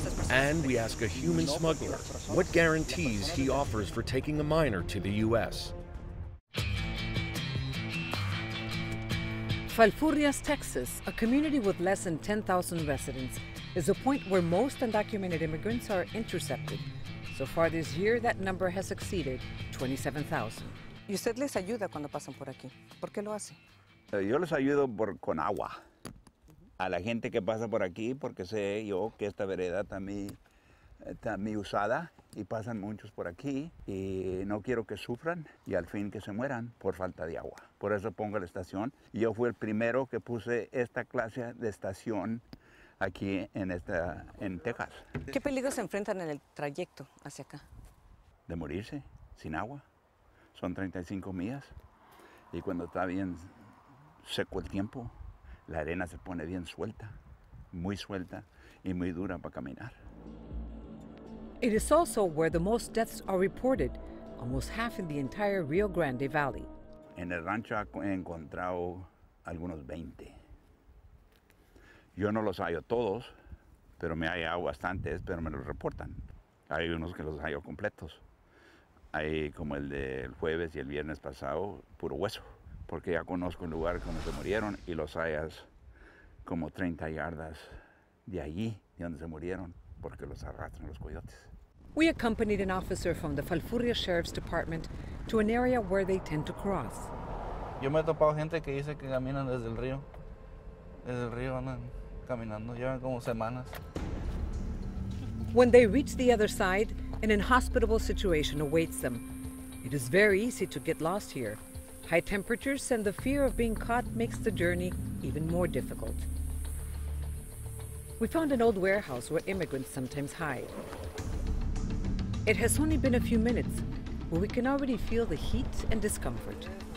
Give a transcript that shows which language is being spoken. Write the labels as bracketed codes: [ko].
[en] And we ask a human smuggler what guarantees he offers for taking a minor to the U.S. Falfurrias, Texas, a community with less than 10,000 residents, is a point where most undocumented immigrants are intercepted. So far this year, that number has exceeded 27,000. [es] ¿Y usted les ayuda cuando pasan por aquí? ¿Por qué lo hace? Yo les ayudo con agua a la gente que pasa por aquí, porque sé yo que esta vereda está muy usada y pasan muchos por aquí y no quiero que sufran y al fin que se mueran por falta de agua. Por eso pongo la estación. Yo fui el primero que puse esta clase de estación aquí en Texas. ¿Qué peligros se enfrentan en el trayecto hacia acá? De morirse sin agua. Son 35 millas y cuando está bien seco el tiempo, la arena se pone bien suelta y muy dura para caminar. [en] It is also where the most deaths are reported, almost half in the entire Rio Grande Valley. [es] En el rancho he encontrado algunos 20. Yo no los hallo todos, pero me hallo bastantes, pero me los reportan. Hay unos que los hallo completos. Hay como el del jueves y el viernes pasado, puro hueso. Porque ya conozco el lugar donde se murieron y los hallas como 30 yardas de allí, de donde se murieron, porque los arrastran los coyotes. [en] We accompanied an officer from the Falfurria Sheriff's Department to an area where they tend to cross. [es] Yo me he topado gente que dice que caminan desde el río. Desde el río andan caminando, llevan como semanas. [en] When they reach the other side, an inhospitable situation awaits them. It is very easy to get lost here. High temperatures and the fear of being caught makes the journey even more difficult. We found an old warehouse where immigrants sometimes hide. It has only been a few minutes, but we can already feel the heat and discomfort.